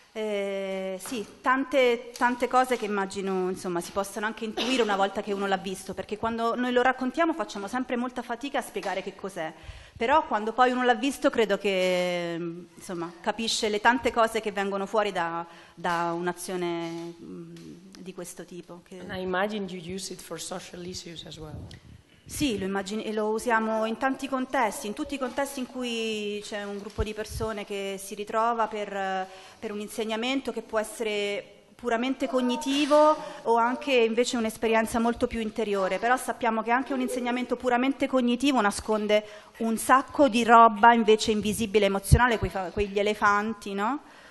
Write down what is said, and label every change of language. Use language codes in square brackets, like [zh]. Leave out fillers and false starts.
[it] Sì, tante cose che immagino insomma si possano anche intuire una volta che uno l'ha visto, perché quando noi lo raccontiamo facciamo sempre molta fatica a spiegare che cos'è, però quando poi uno l'ha visto credo che insomma capisce le tante cose che vengono fuori da un'azione di questo tipo. [en] And I imagine you use it for social issues as well. [it] Sì, lo usiamo in tanti contesti, in tutti i contesti in cui c'è un gruppo di persone che si ritrova per un insegnamento che può essere puramente cognitivo o anche invece un'esperienza molto più interiore, però sappiamo che anche un insegnamento puramente cognitivo nasconde un sacco di roba invece invisibile, emozionale, quegli elefanti, no?